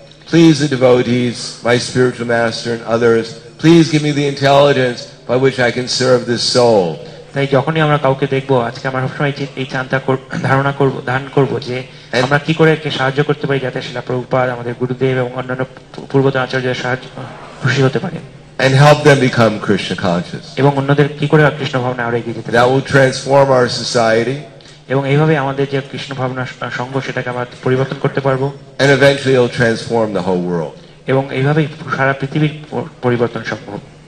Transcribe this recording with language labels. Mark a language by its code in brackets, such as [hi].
[en] Please, the devotees, my spiritual master and others. Please give me the intelligence by which I can serve this soul. [bn] তাই যখনই আমরা কাউকে দেখবো আজকে আমার সবসময় এই চিন্তা ধারণা করবো ধারণ করবো যে আমরা কি করে সাহায্য করতে পারি যাতে শ্রীলা প্রভুপাদ আমাদের গুরুদেব এবং অন্যান্য পূর্বতন আচার্যের সাহায্য খুশি হতে পারে [en] And help them become Krishna conscious. [bn] এবং অন্যদের কি করে কৃষ্ণ ভাবনা আরো এগিয়ে যেতে পারে? [en] That will transform our society. [bn] এবং এইভাবে আমাদের যে কৃষ্ণ ভাবনা সংঘ সেটাকে আমরা পরিবর্তন করতে পারবো. [en] And eventually it'll transform the whole world. [bn] এবং এইভাবে সারা পৃথিবীর পরিবর্তন সম্ভব.